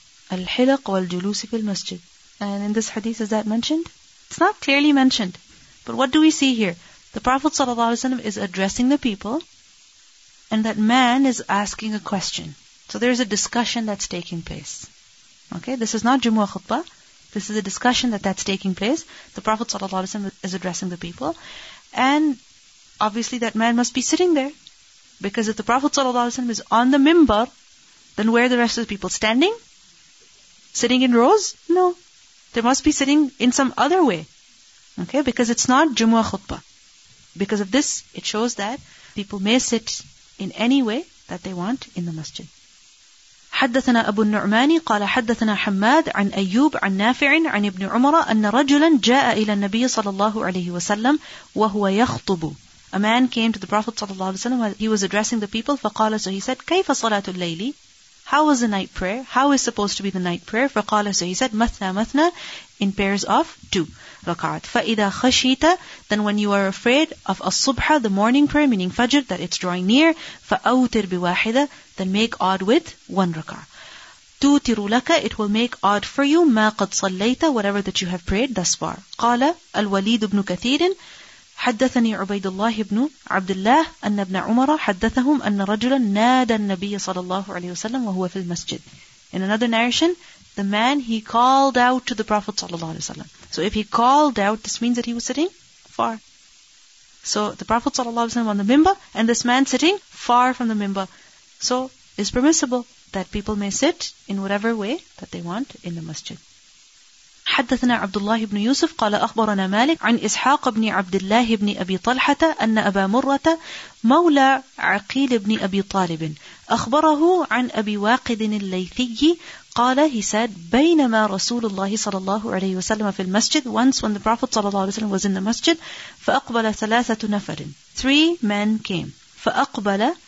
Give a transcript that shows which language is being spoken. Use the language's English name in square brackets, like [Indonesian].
[Arabic] الحلق والجلوس في المسجد. [English] And in this hadith, is that mentioned? It's not clearly mentioned. But what do we see here? The Prophet ﷺ is addressing the people, and that man is asking a question. So there's a discussion that's taking place. Okay, this is not Jumu'ah khutbah. This is a discussion that's taking place. The Prophet ﷺ is addressing the people. And obviously that man must be sitting there. Because if the Prophet ﷺ is on the mimbar, then where are the rest of the people? Standing? Sitting in rows? No. They must be sitting in some other way. Okay, because it's not Jumu'ah khutbah. Because of this, it shows that people may sit in any way that they want in the masjid. [Arabic] حدثنا أبو النعمان قال حدثنا حماد عن أيوب عن نافع عن ابن عمر أن رجلا جاء إلى النبي صلى الله عليه وسلم وهو يخطب. [English] A man came to the Prophet صلى الله عليه وسلم. He was addressing the people. [Arabic] فقال, [English] so he said, [Arabic] كيف صلاة الليل? [English] How was the night prayer? How is supposed to be the night prayer? [Arabic] فقال, [English] so he said, [Arabic] مثنى مثنى, [English] in pairs of two rak'at. [Arabic] فإذا خشيت, [English] then when you are afraid of الصبح, the morning prayer, meaning Fajr, that it's drawing near, [Arabic] فأوتر بواحدة, [English] then make odd with one rak'ah. [Arabic] توتر لك, [English] it will make odd for you, [Arabic] ما قد صليت, [English] whatever that you have prayed thus far. [Arabic] قال الوليد بن كثير, حدثني عبيد الله بن عبد الله أن ابن عمر حدثهم أن رجلا نادى النبي صلى الله عليه وسلم وهو في المسجد. [English] In another narration, the man, he called out to the Prophet صلى الله عليه وسلم. So if he called out, this means that he was sitting far. So the Prophet صلى الله عليه وسلم on the minbar, and this man sitting far from the minbar. So it's permissible that people may sit in whatever way that they want in the masjid. [Arabic] حدثنا عبد الله بن يوسف قال أخبرنا مالك عن إسحاق بن عبد الله بن أبي طلحة أن أبا مرة مولى عقيل بن أبي طالب أخبره عن أبي واقد الليثي قال [English] he said [Arabic] بينما رسول الله صلى الله عليه وسلم في المسجد, [English] once when the Prophet صلى الله عليه وسلم was in the masjid, [Arabic] فأقبل ثلاثة نفر, [English] three men came, [Arabic] فأقبل